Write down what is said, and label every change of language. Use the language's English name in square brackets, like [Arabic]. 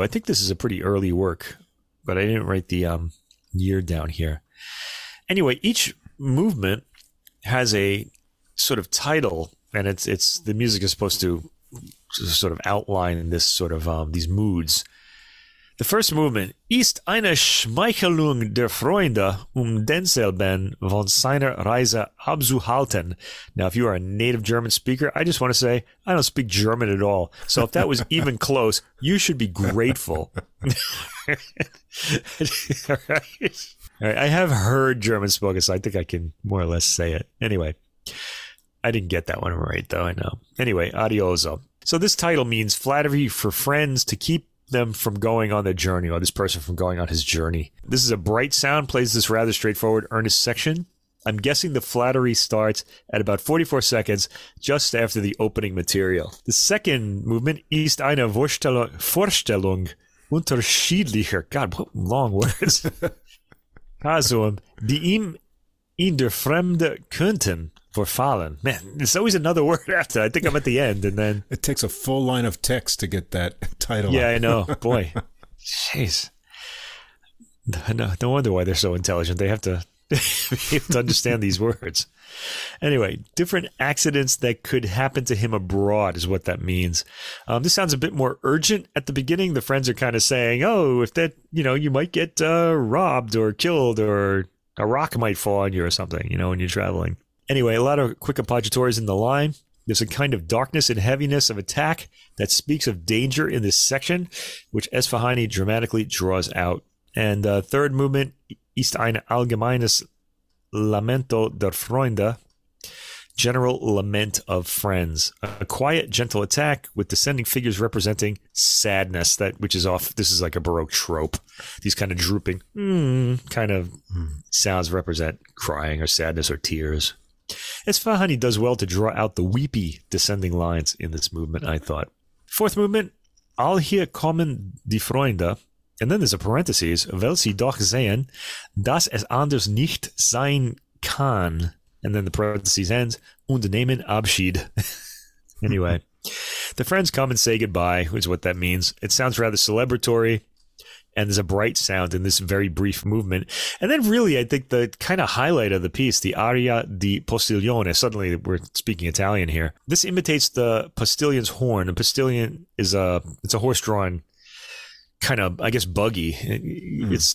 [English] I think this is a pretty early work, but I didn't write the year down here. Anyway, each movement has a sort of title, and it's the music is supposed to sort of outline this sort of these moods. The first movement [German] ist eine Schmeichelung der Freunde, denselben von seiner Reise abzuhalten. [English] Now, if you are a native German speaker, I just want to say, I don't speak German at all. So if that was even close, you should be grateful. All right. I have heard German spoken, so I think I can more or less say it. Anyway, I didn't get that one right, though, I know. Anyway, adioso. So this title means flattery for friends to keep them from going on their journey, or this person from going on his journey. This is a bright sound, plays this rather straightforward, earnest section. I'm guessing the flattery starts at about 44 seconds, just after the opening material. The second movement [German] ist eine Vorstellung unterschiedlicher, [English] God, what long words, [German] Kasum, die ihm in der Fremde könnten. For fallen. [English] Man, it's always another word after. I think I'm at the end, and then... It takes a full line of text to get that title. Yeah, I know. Boy. Jeez. No wonder why they're so intelligent. They have to, understand these words. Anyway, different accidents that could happen to him abroad is what that means. This sounds a bit more urgent at the beginning. The friends are kind of saying, oh, if that, you know, you might get robbed or killed, or a rock might fall on you or something, you know, when you're traveling. Anyway, a lot of quick appoggiatores in the line. There's a kind of darkness and heaviness of attack that speaks of danger in this section, which Esfahani dramatically draws out. And the third movement, [German] ist ein allgemeines Lamento der Freunde, [English] general lament of friends. A quiet, gentle attack with descending figures representing sadness, that which is off. This is like a Baroque trope. These kind of drooping kind of sounds represent crying or sadness or tears. Esfahani does well to draw out the weepy descending lines in this movement, I thought. Fourth movement, [German] all hier kommen die Freunde, [English] and then there's a parenthesis, [German] weil sie doch sehen, dass es anders nicht sein kann, [English] and then the parenthesis ends, [German] und nehmen Abschied. [English] Anyway, the friends come and say goodbye, is what that means. It sounds rather celebratory. And there's a bright sound in this very brief movement. And then really, I think the kind of highlight of the piece, the aria di postiglione, suddenly we're speaking Italian here. This imitates the postillion's horn. A postillion is it's a horse-drawn kind of, I guess, buggy.